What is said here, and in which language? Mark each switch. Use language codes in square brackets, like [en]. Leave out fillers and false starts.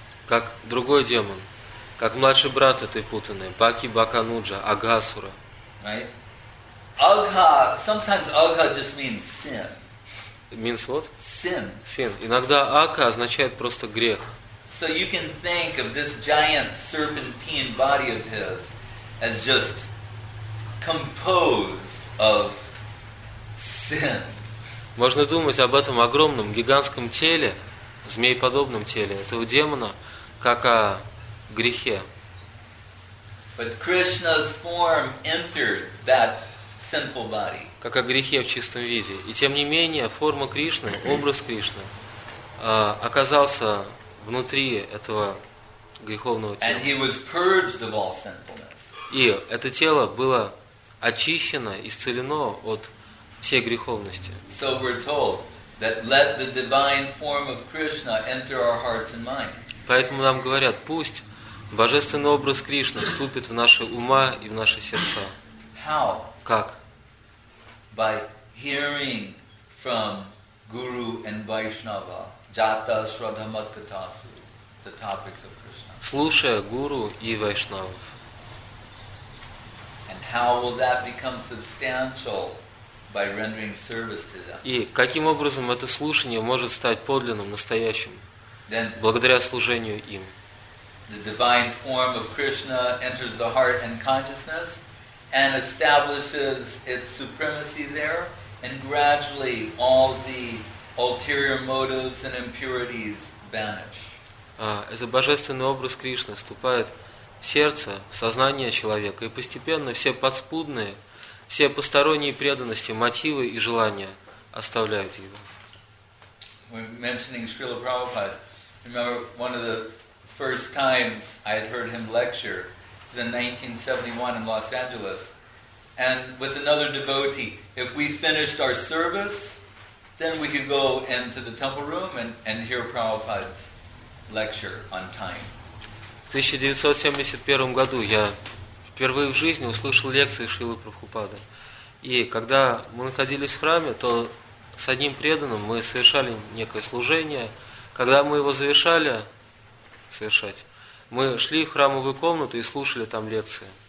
[ru] Как другой демон, как младший брат этой Путаны, Баки Бакануджа, Агхасура. [en] Right? Агха, sometimes агха just means sin. Means what? Sin. [ru] Sin. Иногда агха означает просто грех. [en] So you can think of this giant serpentine body of his as just composed of sin. [ru] Можно думать об этом огромном, гигантском теле, змееподобном теле этого демона, как о грехе. [en] But Krishna's form entered that sinful body. [ru] Как о грехе в чистом виде. И тем не менее, форма Кришны, образ Кришны, оказался внутри этого греховного тела. [en] And he was purged of all sinfulness. [ru] И это тело было очищено, исцелено от всей греховности. [en] So we're told that let the divine form of Krishna enter our hearts and minds. [ru] Поэтому нам говорят, пусть божественный образ Кришны вступит в наши ума и в наши сердца. [en] How? [ru] Как? [en] By hearing from Guru and Vaishnava, [sa] Jata, Shraddha, Matkatasu, [en] the topics of Krishna. [ru] Слушая Гуру и Вайшнавов. [en] And how will that become substantial? By rendering service to them. [ru] И каким образом это слушание может стать подлинным, настоящим, благодаря служению им? [en] The divine form of Krishna enters the heart and consciousness and establishes its supremacy there, and gradually all the ulterior motives and impurities vanish. [ru] Это божественный образ Кришны вступает в сердце, в сознание человека, и постепенно все подспудные, все посторонние преданности, мотивы и желания оставляют его. [en] When mentioning Srila Prabhupada, remember one of the first times I had heard him lecture was in 1971 in Los Angeles, and with another devotee, if we finished our service, then we could go into the temple room and hear Prabhupada's lecture on time. [ru] В 1971 году я впервые в жизни услышал лекции Шрилы Прабхупады. И когда мы находились в храме, то с одним преданным мы совершали некое служение. Когда мы его завершали совершать, мы шли в храмовую комнату и слушали там лекции.